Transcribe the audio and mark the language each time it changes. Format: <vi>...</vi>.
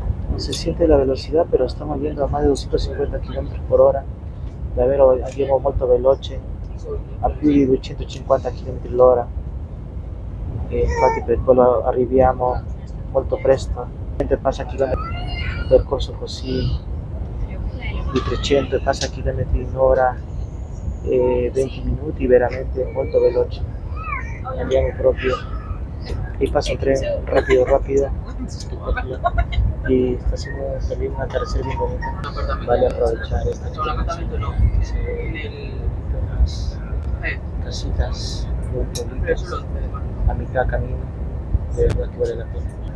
<es>No se siente la velocidad, pero estamos yendo a más de 250 kilómetros por hora.</es> <it>Davvero andiamo molto veloce, a più di 250 km l'ora, e infatti per quello arriviamo molto presto. Passa chilometri, un percorso così di 300 e passa chilometri in 1 ora e 20 minuti, veramente molto veloce. Andiamo proprio, e passa un treno rapido rapido, spettacolo.</it> <es>Y está haciendo también un atardecer muy bonito. Vale aprovechar esta experiencia. Se ven unas casitas muy bonitas a mitad camino. De verdad que vale la pena.</es>